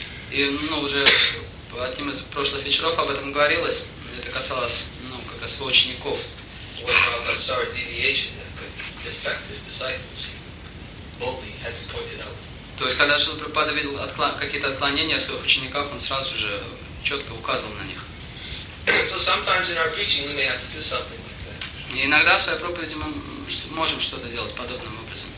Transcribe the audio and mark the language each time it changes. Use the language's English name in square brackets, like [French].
[Russian] И, ну, уже одним из прошлых вечеров об этом говорилось. Это касалось, ну, как раз его учеников. То есть, когда Шрила Прабхупада видел какие-то отклонения в своих учениках, он сразу же четко указывал на них. [English] So sometimes in our preaching we may have to do something like that. [Russian] И иногда в своей проповеди мы можем что-то делать подобным образом.